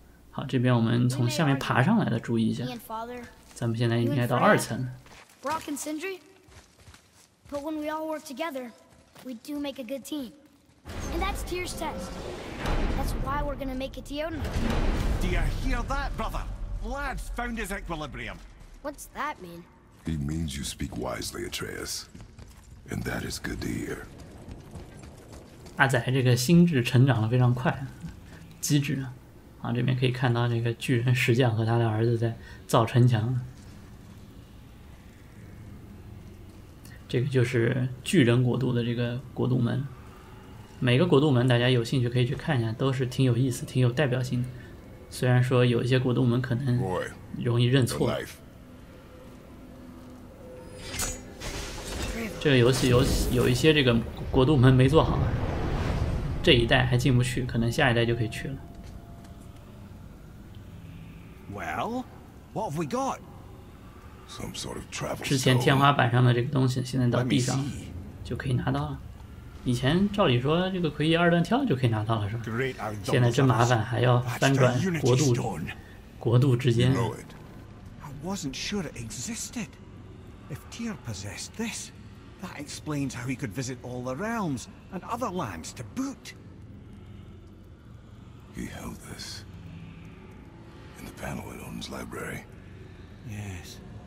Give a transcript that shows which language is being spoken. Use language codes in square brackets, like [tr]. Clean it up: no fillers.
[zh] 好，这边我们从下面爬上来的，注意一下。咱们现在应该到二层。 [en] Brock and Sindri, but when we all work together, we do make a good team. And that's Tyr's test. That's why we're gonna make it to Odin. Do you hear that, brother? Lad's found his equilibrium. What's that mean? He means you speak wisely, Atreus, and that is good to hear. [zh] 阿仔这个心智成长的非常快，机智啊。啊，这边可以看到这个巨人石匠和他的儿子在造城墙。这个就是巨人国度的这个国度门，每个国度门大家有兴趣可以去看一下，都是挺有意思、挺有代表性的。虽然说有一些国度门可能容易认错。这个游戏有一些这个国度门没做好，这一代还进不去，可能下一代就可以去了。 [en] Well, what have we got? Some sort of travel. [zh] 之前天花板上的这个东西，现在到地上就可以拿到了。以前照理说，这个奎爷二段跳就可以拿到了，是吧？现在真麻烦，还要翻转国度之间。 [en] I wasn't sure it existed. If Tyr possessed this, that explains how he could visit all the realms and other lands to boot. He held this. The panel at Odin's library. Yes.